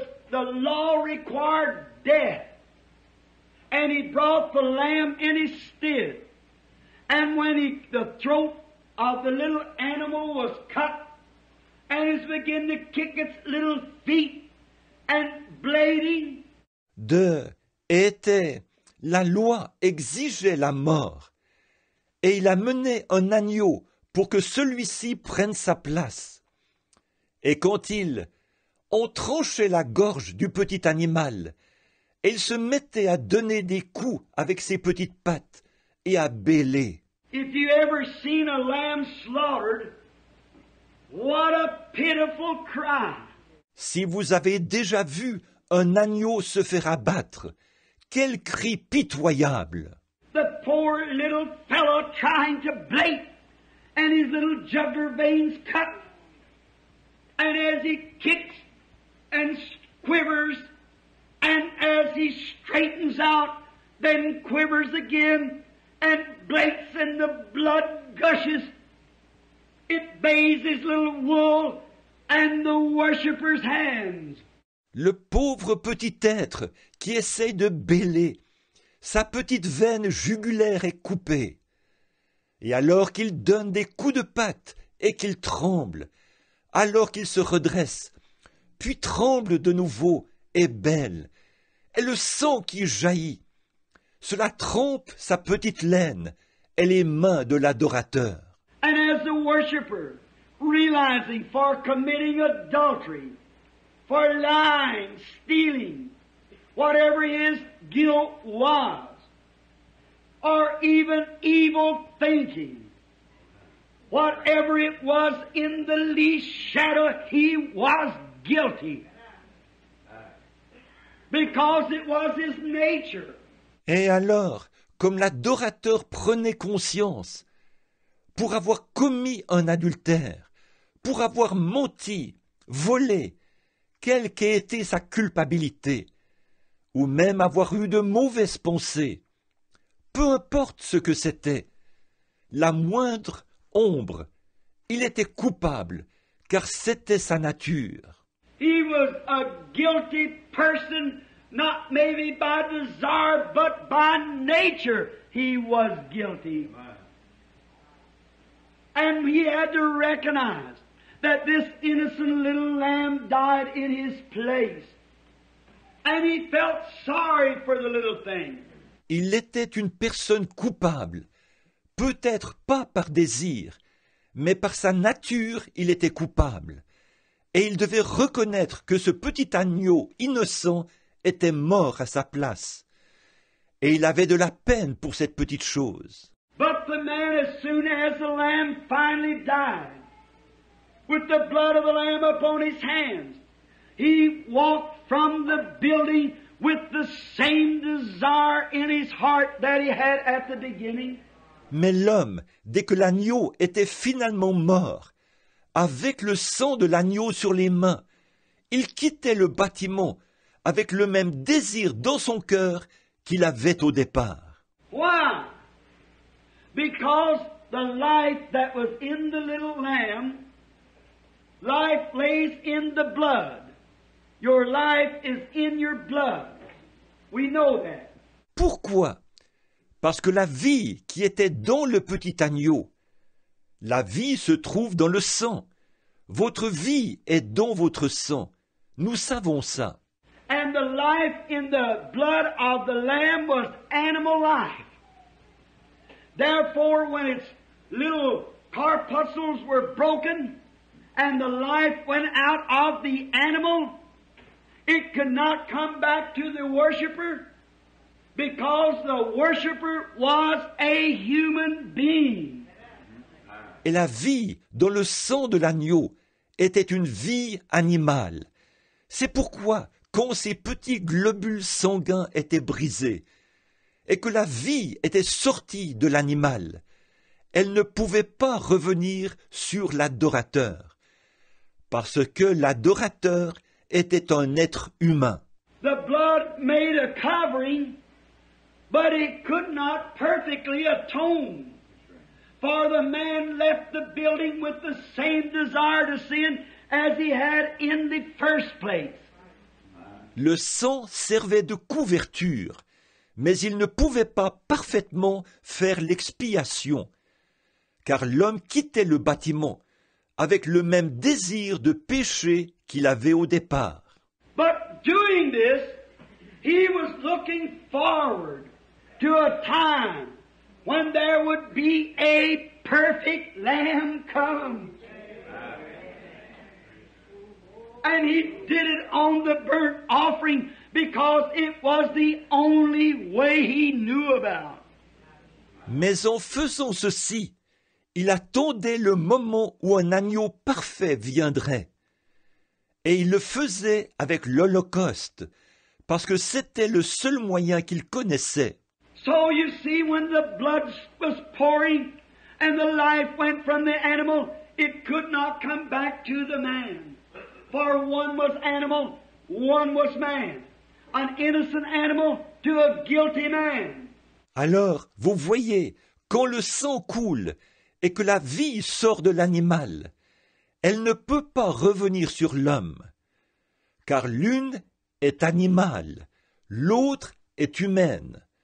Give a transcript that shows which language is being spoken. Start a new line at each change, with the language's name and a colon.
English: The law required death, and he brought the lamb in his stead. And when the throat of the little animal was cut, and it began to kick its little feet and bleeding.
French: De était la loi exigeait la mort, et il a mené un agneau pour que celui-ci prenne sa place. Et quand il ont tranché la gorge du petit animal, et il se mettait à donner des coups avec ses petites pattes et à bêler.
English: If you ever seen a lamb slaughtered, what a pitiful cry.
French: Si vous avez déjà vu un agneau se faire abattre, quel cri pitoyable.
English: The poor little fellow trying to bleat, and his little jugular veins cut, and as he kicks and quivers, and as he straightens out, then quivers again, and bleats, and the blood gushes. It bathes his little wool and the worshipper's hands.
French: Le pauvre petit être qui essaye de bêler, sa petite veine jugulaire est coupée. Et alors qu'il donne des coups de patte et qu'il tremble, alors qu'il se redresse, puis tremble de nouveau et bêle, et le sang qui jaillit. Cela trempe sa petite laine et les mains de l'adorateur.
English: And as the worshipper, realizing for committing adultery, for lying, stealing, whatever his guilt was, or even evil thinking, whatever it was in the least shadow, he was guilty, because it was his nature.
French: Et alors, comme l'adorateur prenait conscience, pour avoir commis un adultère, pour avoir menti, volé, quelle qu'ait été sa culpabilité, ou même avoir eu de mauvaises pensées, peu importe ce que c'était, la moindre ombre, il était coupable, car c'était sa nature.
English: He was a guilty person, not maybe by desire, but by nature he was guilty. And he had to recognize that this innocent little lamb died in his place. And he felt sorry for the little thing.
French: Il était une personne coupable, peut-être pas par désir, mais par sa nature il était coupable. et il devait reconnaître que ce petit agneau innocent était mort à sa place. Et il avait de la peine pour cette petite chose.
English: But the man, as soon as the lamb finally died, with the blood of the lamb upon his hands, he walked from the building with the same desire in his heart that he had at the beginning.
French: Mais l'homme, dès que l'agneau était finalement mort, avec le sang de l'agneau sur les mains, il quittait le bâtiment avec le même désir dans son cœur qu'il avait au départ.
English: Why? Because the life that was in the little lamb, life lays in the blood. Your life is in your blood. We know that.
French: Pourquoi? Parce que la vie qui était dans le petit agneau, la vie se trouve dans le sang. Votre vie est dans votre sang. Nous savons ça.
English: And the life in the blood of the lamb was animal life. Therefore, when its little corpuscles were broken and the life went out of the animal, it could not come back to the worshiper. Because the worshiper was a human being.
French: Et la vie dans le sang de l'agneau était une vie animale. C'est pourquoi, quand ces petits globules sanguins étaient brisés et que la vie était sortie de l'animal, elle ne pouvait pas revenir sur l'adorateur, parce que l'adorateur était un être humain.
English: The blood made a covering. But it could not perfectly atone. For the man left the building with the same desire to sin as he had in the first place.
French: Le sang servait de couverture, mais il ne pouvait pas parfaitement faire l'expiation, car l'homme quittait le bâtiment avec le même désir de péché qu'il avait au départ.
English: But doing this, he was looking forward to a time when there would be a perfect lamb come. And he did it on the burnt offering because it was the only way he knew about.
French: Mais en faisant ceci, il attendait le moment où un agneau parfait viendrait. Et il le faisait avec l'Holocauste, parce que c'était le seul moyen qu'il connaissait.
English: So you see, when the blood was pouring and the life went from the animal, it could not come back to the man. For one was animal, one was man. An innocent animal to a guilty man.
French: Alors, vous voyez, quand le sang coule et que la vie sort de l'animal, elle ne peut pas revenir sur l'homme. Car l'une est animale, l'autre est humaine.